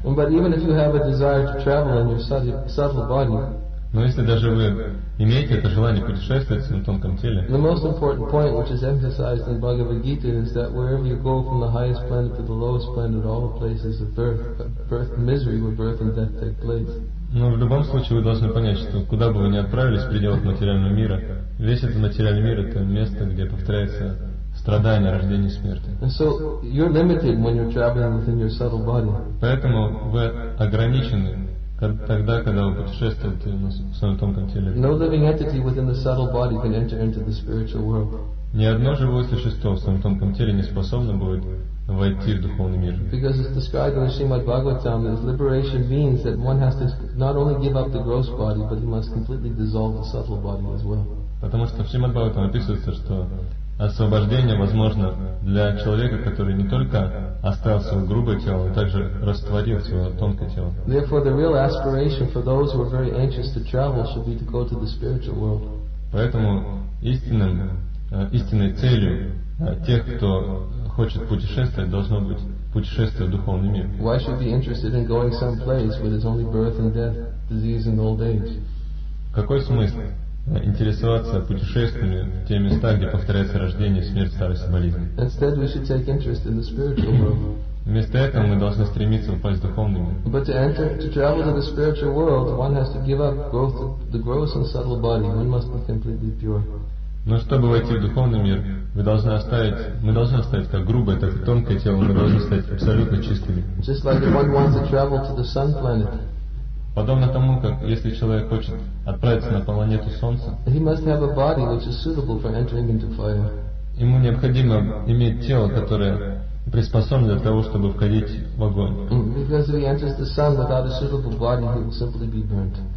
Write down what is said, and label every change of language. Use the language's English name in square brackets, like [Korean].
[English] But even if you have a desire to travel in your subtle body, [Russian] но если даже вы имеете это желание путешествовать в своем тонком теле, [English] the most important point, which is emphasized in Bhagavad Gita, is that wherever you go from the highest planet to the lowest planet, all the places of birth, misery, where birth and death take place. [Russian] Но в любом случае вы должны понять, что куда бы вы ни отправились в пределах материального мира, весь этот материальный мир — это место, где повторяется страдания, рождения и смерти. [English] So you're limited when you're traveling within your subtle body. [Russian] Поэтому вы ограничены тогда, когда вы путешествуете на своем тонком теле. [English] No living entity within the subtle body can enter into the spiritual world. [Russian] Ни одно живое существо в своем тонком теле не способно будет войти в духовный мир. [English] Because it's described in the Srimad Bhagavatam that liberation means that one has to not only give up the gross body, but he must completely dissolve the subtle body as well. [Russian] Потому что в Srimad Bhagavatam описывается, что освобождение возможно для человека, который не только оставил свое грубое тело, но также растворил свое тонкое тело. [English] Therefore, the real aspiration for those who are very anxious to travel should be to go to the spiritual world. [Russian] Поэтому истинной целью тех, кто хочет путешествовать, должно быть путешествие в духовный мир. [English] Why should be interested in going someplace where there's only birth and death, disease and old age? [Russian] Какой смысл интересоваться путешествиями в те места, где повторяется рождение, смерть, старость и болезнь? [English] Instead, we should take interest in the spiritual world. [Russian] Вместо этого мы должны стремиться попасть в духовный мир. [English] But to travel to the spiritual world, one has to give up growth, the gross and subtle body. One must be completely pure. [Russian] Но чтобы войти в духовный мир, мы должны оставить как грубое, так и тонкое тело, мы должны стать абсолютно чистыми. [English] Just like one wants to travel to the sun planet. [Russian] Подобно тому, как если человек хочет отправиться на планету Солнца, [English] he must have a body which is suitable for entering into fire. [Russian] Ему необходимо иметь тело, которое приспособлено для того, чтобы входить в огонь. [English] Because if he enters the sun without a suitable body, he will simply be burnt.